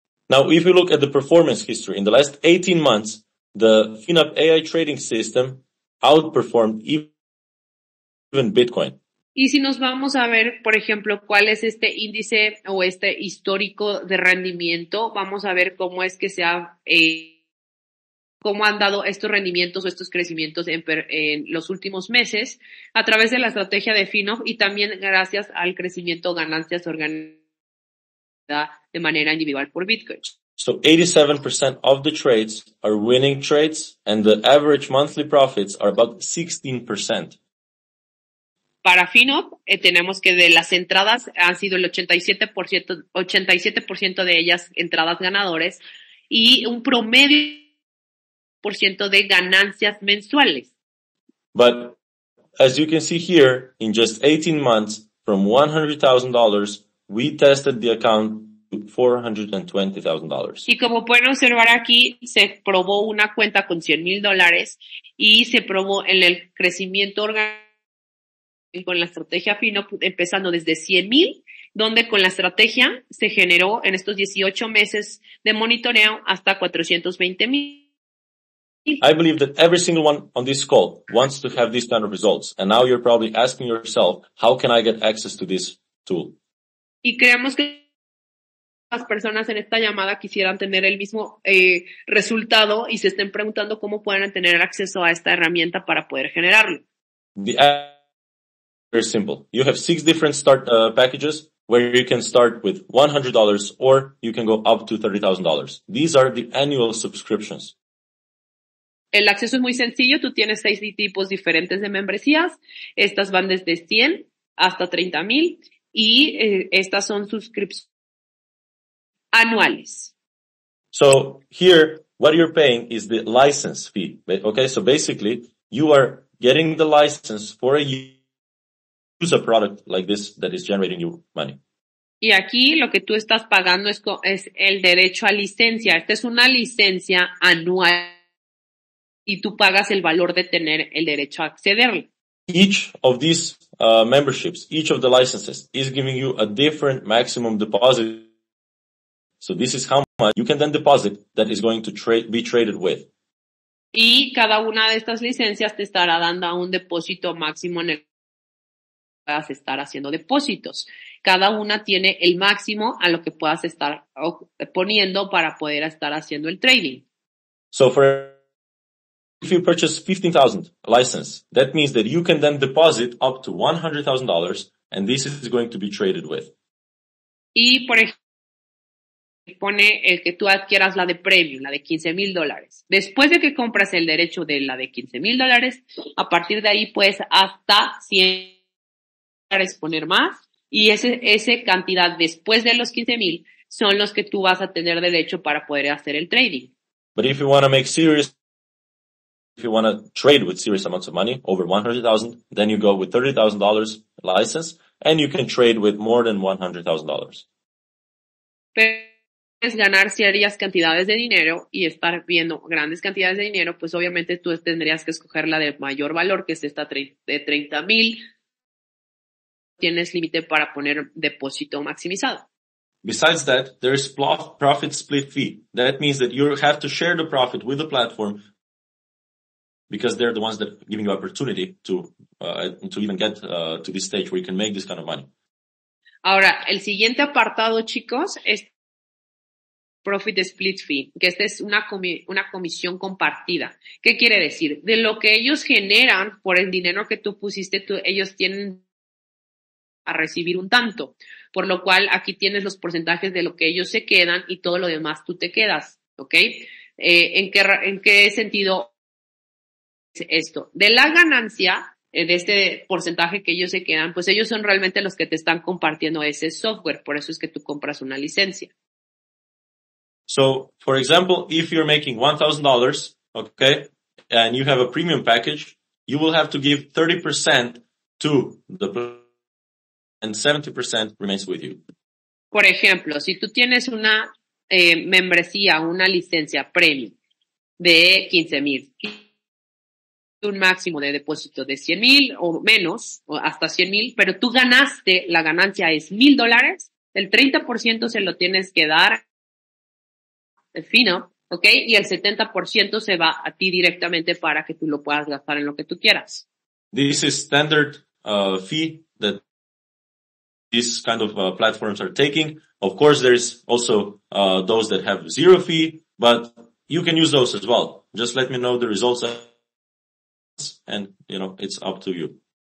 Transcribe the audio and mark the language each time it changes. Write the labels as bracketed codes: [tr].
[en] Now, if you look at the performance history, in the last 18 months, the FinUp AI trading system outperformed even Bitcoin. [es] Y si nos vamos a ver, por ejemplo, cuál es este índice o este histórico de rendimiento, vamos a ver cómo es que se ha, cómo han dado estos rendimientos o estos crecimientos en los últimos meses a través de la estrategia de FinUp y también gracias al crecimiento ganancias organizadas de manera individual por Bitcoin. [en] So 87% of the trades are winning trades and the average monthly profits are about 16%. [es] Para FinUp, tenemos que de las entradas han sido el 87% de ellas entradas ganadores y un promedio por ciento de ganancias mensuales. [en] But as you can see here, in just 18 months, from $100,000, we tested the account to $420,000. [es] Y como pueden observar aquí, se probó una cuenta con $100,000 y se probó en el crecimiento orgánico. Con la estrategia Fino, empezando desde 100,000, donde con la estrategia se generó en estos 18 meses de monitoreo hasta 420,000. [en] I believe that every single one on this call wants to have these kind of results. And now you're probably asking yourself, how can I get access to this tool? [es] Y creemos que las personas en esta llamada quisieran tener el mismo resultado y se estén preguntando cómo pueden tener acceso a esta herramienta para poder generarlo. [en] Very simple. You have 6 different start packages where you can start with $100 or you can go up to $30,000. These are the annual subscriptions. [es] El acceso es muy sencillo. Tú tienes 6 tipos diferentes de membresías. Estas van desde 100 hasta 30,000. Y estas son suscripciones anuales. [en] So here, what you're paying is the license fee. Okay, so basically, you are getting the license for a use a product like this that is generating you money. [es] Y aquí lo que tú estás pagando es el derecho a licencia. Esta es una licencia anual. Y tú pagas el valor de tener el derecho a accederlo. [en] Each of these memberships, each of the licenses is giving you a different maximum deposit. So this is how much you can then deposit that is going to be traded with. [es] Y cada una de estas licencias te estará dando a un depósito máximo en el que puedas estar haciendo depósitos. Cada una tiene el máximo a lo que puedas estar poniendo para poder estar haciendo el trading. [en] So if you purchase 15,000 license, that means that you can then deposit up to $100,000 and this is going to be traded with. [es] Y por ejemplo, pone el que tú adquieras la de premium, la de $15,000. Después de que compras el derecho de la de $15,000, a partir de ahí puedes hasta $100,000 poner más y ese cantidad después de los 15,000 son los que tú vas a tener derecho para poder hacer el trading. [en] But if you want to make serious If you want to trade with serious amounts of money, over $100,000, then you go with $30,000 license, and you can trade with more than $100,000. [es] Pero es ganar serias cantidades de dinero y estar viendo grandes cantidades de dinero, pues obviamente tú tendrías que escoger la de mayor valor, que es esta de 30,000. Tienes límite para poner depósito maximizado. [en] Besides that, there is profit split fee. That means that you have to share the profit with the platform because they're the ones that are giving you opportunity to even get to this stage where you can make this kind of money. [es] Ahora, el siguiente apartado, chicos, es profit split fee, que esta es una comisión compartida. ¿Qué quiere decir? De lo que ellos generan por el dinero que tú pusiste, ellos tienen a recibir un tanto, por lo cual aquí tienes los porcentajes de lo que ellos se quedan y todo lo demás tú te quedas, ¿okay? ¿En qué sentido esto? De la ganancia, de este porcentaje que ellos se quedan, pues ellos son realmente los que te están compartiendo ese software. Por eso es que tú compras una licencia. [en] So, for example, if you're making $1,000, okay, and you have a premium package, you will have to give 30% to the and 70% remains with you. [es] Por ejemplo, si tú tienes una membresía, una licencia premium de 15,000, un máximo de depósito de 100,000 o menos, o hasta 100,000, pero tú ganaste, la ganancia es $1,000, el 30% se lo tienes que dar el fino, ¿ok? Y el 70% se va a ti directamente para que tú lo puedas gastar en lo que tú quieras. [en] This is standard fee that these kind of platforms are taking. Of course, there is also those that have zero fee, but you can use those as well. Just let me know the results and, you know, it's up to you.